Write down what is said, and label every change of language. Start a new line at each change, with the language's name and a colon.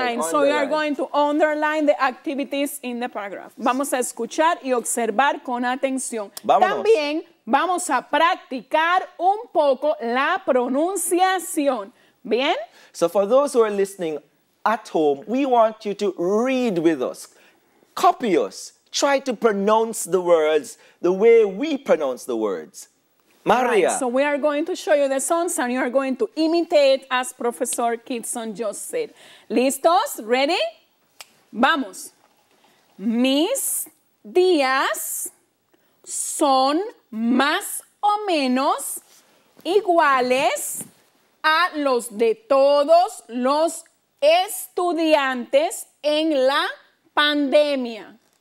English: So we are going to underline the activities in the paragraph.
Spanish: Vamos a escuchar y observar con atención. Vámonos. También vamos a practicar un poco la pronunciación. ¿Bien?
English: So for those who are listening at home, we want you to read with us. Copy us. Try to pronounce the words the way we pronounce the words. Maria. Right, so we are going to show you the sounds and you are going to imitate as Professor Kitson just said.
Spanish: ¿Listos? ¿Ready? Vamos. Mis días son más o menos iguales a los de todos los estudiantes en la pandemia.